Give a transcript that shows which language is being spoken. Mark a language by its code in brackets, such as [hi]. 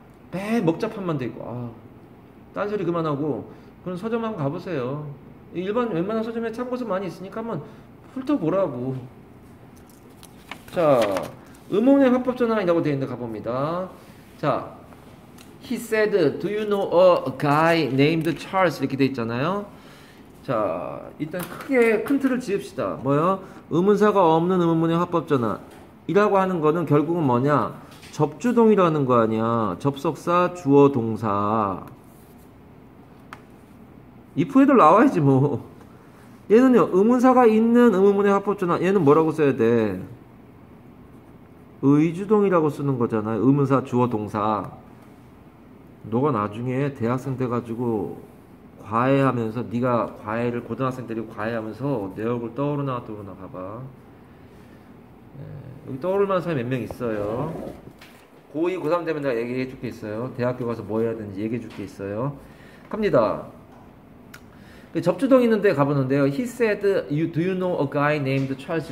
[ko] 매 먹잡판만 돼 있고. 아, 딴소리 그만하고 그럼 서점 한번 가보세요. 일반 웬만한 서점에 참고서 많이 있으니까 한번 훑어보라고. 자, 의문의 화법 전환이라고 되어 있는데 가봅니다. [en] 자, He said, Do you know a guy named Charles? [ko] 이렇게 되어 있잖아요. 자, 일단 크게 큰 틀을 지읍시다. 뭐요? 의문사가 없는 의문문의 화법 전환 이라고 하는 거는 결국은 뭐냐? 접주동이라는 거 아니야. 접속사, 주어, 동사. if에도 나와야지 뭐. 얘는요, 의문사가 있는 의문문의 화법전환. 얘는 뭐라고 써야 돼? 의주동이라고 쓰는 거잖아요. 의문사, 주어, 동사. 너가 나중에 대학생 돼가지고 과외하면서, 네가 과외를 고등학생 데리고 과외하면서 내 얼굴 떠오르나 떠오르나 봐봐. 여기 떠오를만한 사람이 몇명 있어요. 고2, 고3 되면 내가 얘기해 줄게 있어요. 대학교 가서 뭐 해야 되는지 얘기해 줄게 있어요. 갑니다. 접주동 있는데 가보는데요. [en] He said, do you know a guy named Charles?